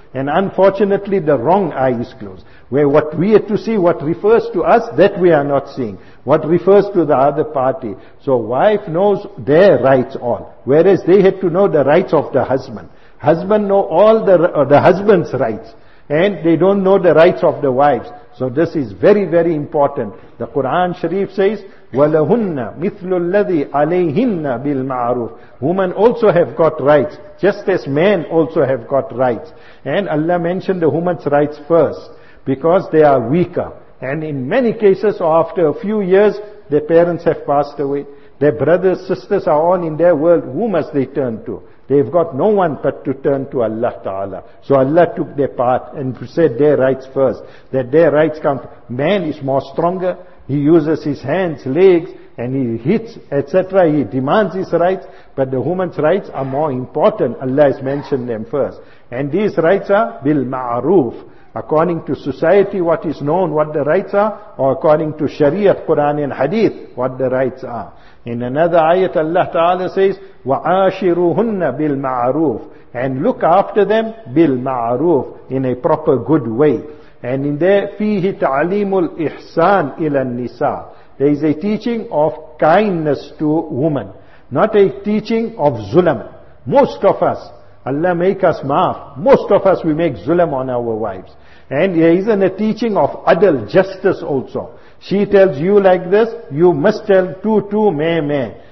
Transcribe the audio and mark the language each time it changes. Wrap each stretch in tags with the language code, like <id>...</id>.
<en>And unfortunately the wrong eye is closed. Where what we are to see, what refers to us, that we are not seeing. What refers to the other party. So wife knows their rights all. Whereas they had to know the rights of the husband. Husband know all the husband's rights. And they don't know the rights of the wives. So this is very, very important. The Quran Sharif says,</en> <ar>وَلَهُنَّ مِثْلُ الَّذِي عَلَيْهِنَّ بِالْمَعْرُوفِ.</ar> <en>Women also have got rights, just as men also have got rights. And Allah mentioned the women's rights first, because they are weaker. And in many cases, after a few years, their parents have passed away. Their brothers, sisters are all in their world. Who must they turn to? They've got no one but to turn to Allah Ta'ala. So Allah took their part and said their rights first. That their rights come. Man is more stronger. He uses his hands, legs, and he hits, etc. He demands his rights. But the woman's rights are more important. Allah has mentioned them first. And these rights are bil ma'aruf. According to society, what is known, what the rights are. Or according to Sharia, Quran and Hadith, what the rights are. In another ayat, Allah Ta'ala says,</en> <ar>وَعَاشِرُهُنَّ بِالْمَعْرُوفِ,</ar> <en>and look after them بِالْمَعْرُوفِ, in a proper good way. And in there,</en> <ar>فِيهِ تَعْلِيمُ الْإِحْسَانِ إِلَى النِّسَاءِ.</ar> <en>There is a teaching of kindness to women, not a teaching of zulam. Most of us, Allah make us maaf, most of us we make zulam on our wives. And there isn't a teaching of adl, justice also. She tells you like this, you must tell two, meh, meh.</en>